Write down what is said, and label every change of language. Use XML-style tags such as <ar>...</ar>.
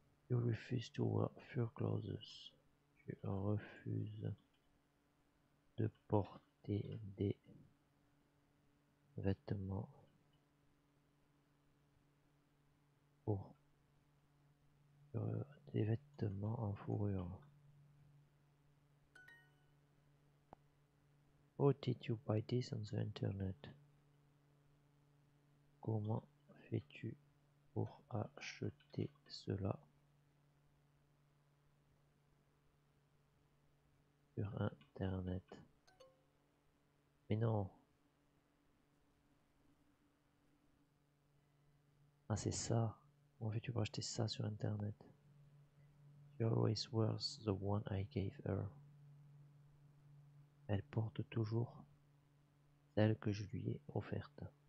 <en>You refuse to wear fur clothes.</en> <fr>Tu refuses de porter des vêtements pour des vêtements en fourrure.</fr> <en>How did you buy this on the internet?</en> <fr>Comment fais-tu pour acheter cela sur internet? Mais non. Ah, c'est ça. Comment fais-tu pour acheter ça sur internet?</fr> <en>She always wears the one I gave her.</en> <fr>Elle porte toujours celle que je lui ai offerte.</fr>